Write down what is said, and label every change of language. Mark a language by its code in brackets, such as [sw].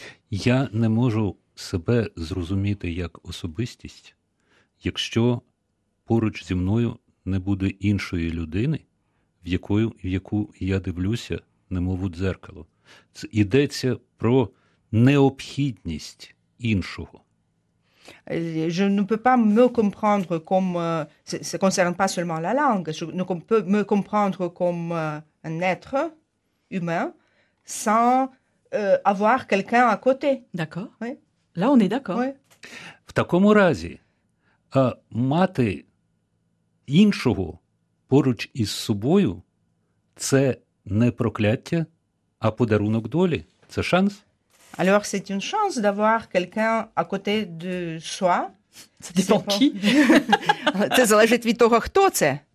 [uk] Я не можу себе зрозуміти як особистість, якщо поруч зі мною не буде іншої людини, в яку я дивлюся, немов у дзеркало. Це йдеться про необхідність іншого. [fr] Je ne peux pas me comprendre comme ça concerne pas seulement la langue, je ne peux me comprendre comme un être humain sans avoir quelqu'un à côté. D'accord. Oui. Là on est d'accord. Oui. [uk] В такому разі мати іншого поруч із собою — це не прокляття, а подарунок долі, це шанс. [fr] Alors, c'est une chance d'avoir quelqu'un à côté de soi. Ça dépend qui. Ça dépend de toi, qui c'est.